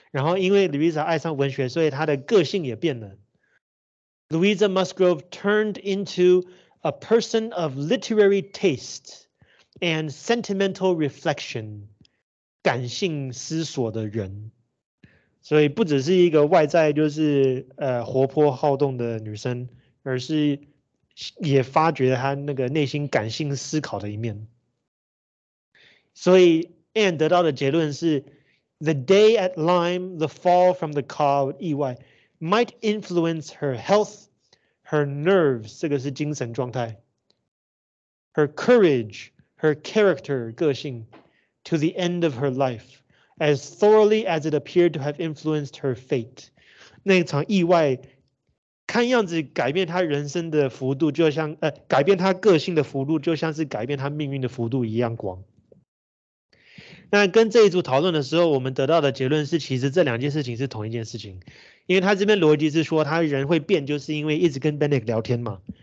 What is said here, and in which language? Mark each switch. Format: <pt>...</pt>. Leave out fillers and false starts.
<zh>然后因为 Louisa 爱上文学，所以他的个性也变了。</zh> <en>Louisa Musgrove turned into a person of literary tasteand sentimental reflection，</en> <zh>感性思索的人。所以不只是一个外在就是活泼好动的女生，而是也发掘她那个内心感性思考的一面。所以 Anne 得到的结论是</zh> <en>The day at Lyme, the fall from the car 意外 might influence her health, her nerves，</en> <zh>这个是精神状态，</zh> <en>her courageher character,</en> <zh>个性</zh> <en>to the end of her life, as thoroughly as it appeared to have influenced her fate.</en> <zh>那场意外看样子改变她人生的幅度，就像改变她个性的幅度，就像是改变她命运的幅度一样广。那跟这一组讨论的时候，我们得到的结论是，其实这两件事情是同一件事情。因为他这边逻辑是说，他人会变就是因为一直跟 Bennick 聊天嘛。</zh>